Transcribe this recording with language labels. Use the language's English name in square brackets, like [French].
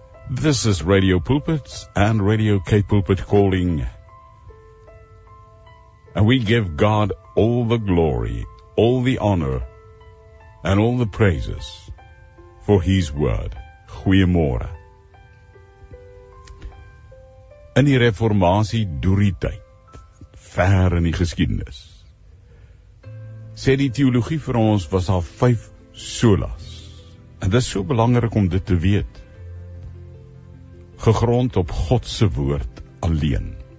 [English] This is Radio Pulpit and Radio K-Pulpit calling. And we give God all the glory, all the honor, and all the praises for His word. [Afrikaans] Goeiemôre. In die reformatie deur die tyd, ver in die geskiedenis, sê die teologie vir ons was al 5 solas. En dit is so belangrik om dit te weet. Gegrond op Godse woord alleen.